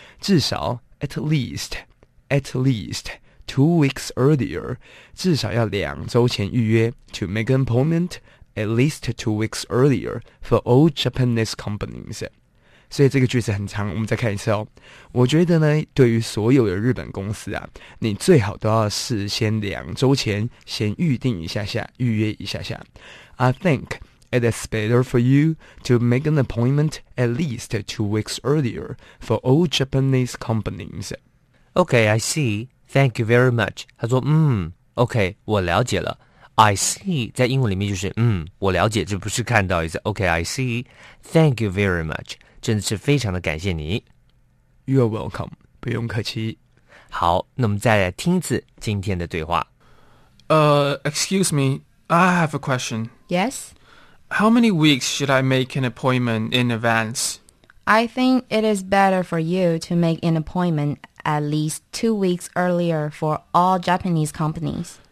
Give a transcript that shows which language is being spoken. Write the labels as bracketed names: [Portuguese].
[Chinese] 至少 [English] at least 2 weeks earlier, [Chinese] 至少要2周前预约 [English] to make an appointment at least 2 weeks earlier for all Japanese companies. [Chinese] 所以这个句子很长，我们再看一次哦。我觉得呢，对于所有的日本公司啊，你最好都要事先2周前先预定一下下，预约一下下。 [English] I think it is better for you to make an appointment at least 2 weeks earlier for all Japanese companies. Okay, I see. Thank you very much. [Chinese] 他说， [English] okay, [Chinese] 我了解了。 [English] I see, [Chinese] 在英文里面就是，我了解，这不是看到一次。 [English] Okay, I see. Thank you very much. [Chinese] 真的是非常的感谢你。 [English] You're welcome, [Chinese] 不用客气。好，那么再来听一次今天的对话。 [English] Excuse me, I have a question. Yes? How many weeks should I make an appointment in advance? I think it is better for you to make an appointment at least 2 weeks earlier for all Japanese companies.